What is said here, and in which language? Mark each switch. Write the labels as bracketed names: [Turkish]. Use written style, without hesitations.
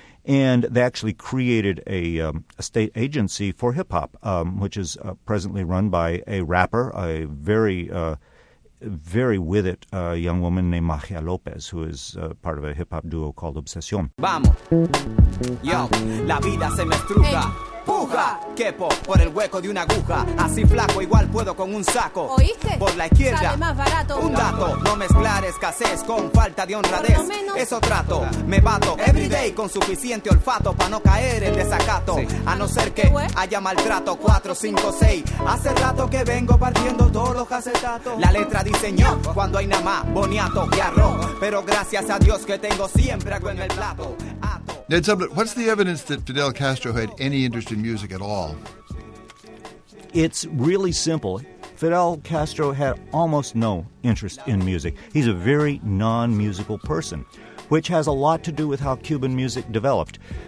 [English] And they actually created a state agency for hip-hop, which is presently run by a rapper, a very very with it, a young woman named Magia Lopez, who is part of a hip-hop duo called Obsesión. [Spanish] Vamos. Yo, la vida se me estruja. Puja, quepo por el hueco de una aguja. Así flaco, igual puedo con un saco. ¿Oíste? Por la izquierda. Sale más barato. Un dato, no mezclar escasez con falta de honradez. Por lo menos. Eso trato, me bato [English] everyday [Spanish] con suficiente olfato para no caer en desacato. Sí. A no ser que haya maltrato. 4, 5, 6. Hace rato que vengo partiendo todos los acetatos. La letra dice ño cuando hay nada más boniato y arroz. Pero gracias a Dios que tengo siempre algo en el plato. [English] Ned Sublet, what's the evidence that Fidel Castro had any interest in music at all? It's really simple. Fidel Castro had almost no interest in music. He's a very non-musical person, which has a lot to do with how Cuban music developed.